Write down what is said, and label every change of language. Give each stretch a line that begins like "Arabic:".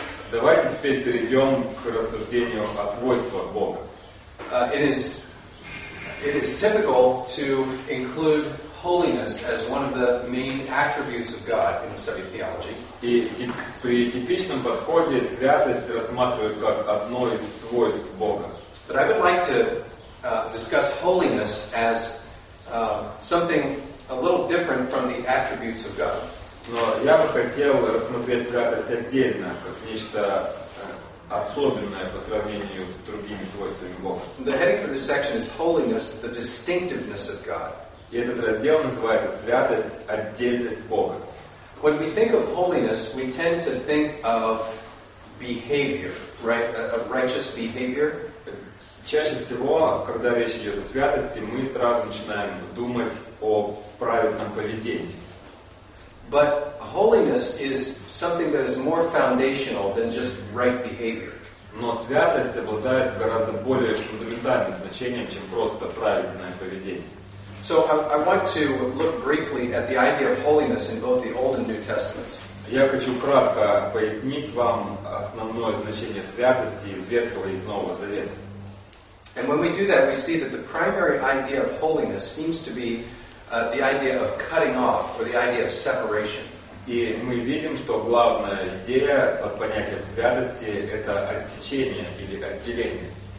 Russian: Давайте теперь перейдем к рассуждению о свойствах Бога.
English: It is typical to include holiness as one of the main attributes of God in the study of theology.
Russian: И при типичном подходе святость рассматривают как одно из свойств Бога.
English: But I would like to discuss holiness as something a little different from the attributes of God.
Russian: Но я бы хотел рассмотреть святость отдельно, как нечто особенное по сравнению с другими свойствами Бога.
English: The heading for this section is holiness, the distinctiveness of God.
Russian: И этот раздел называется «Святость, отдельность Бога».
English: When we think of holiness, we tend to think of behavior, right? Of righteous behavior.
Russian: Чаще всего, когда речь идет о святости, мы сразу начинаем думать о праведном поведении.
English: But holiness is something that is more foundational than just right behavior.
Russian: Но святость обладает гораздо более фундаментальным значением, чем просто правильное поведение.
English: So I want to look briefly at the idea of holiness in both the Old and New Testaments.
Russian: Я хочу кратко пояснить вам основное значение святости из Ветхого и из Нового Завета.
English: And when we do that, we see that the primary idea of holiness seems to be the idea of cutting off, or the idea of separation.
Russian: И мы видим, что главная идея под понятием святости — это отсечение или отделение.